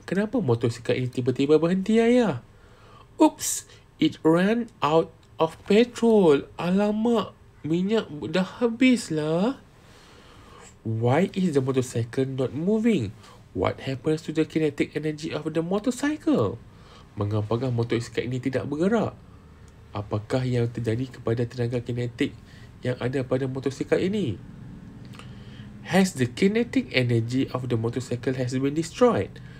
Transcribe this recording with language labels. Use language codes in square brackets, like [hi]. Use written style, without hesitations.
[ms] Kenapa motosikal ini tiba-tiba berhenti, Ayah? [en] Oops, it ran out of petrol. [ms] Alamak, minyak dah habislah. [en] Why is the motorcycle not moving? What happens to the kinetic energy of the motorcycle? [ms] Mengapakah motosikal ini tidak bergerak? Apakah yang terjadi kepada tenaga kinetik yang ada pada motosikal ini? [en] Has the kinetic energy of the motorcycle has been destroyed?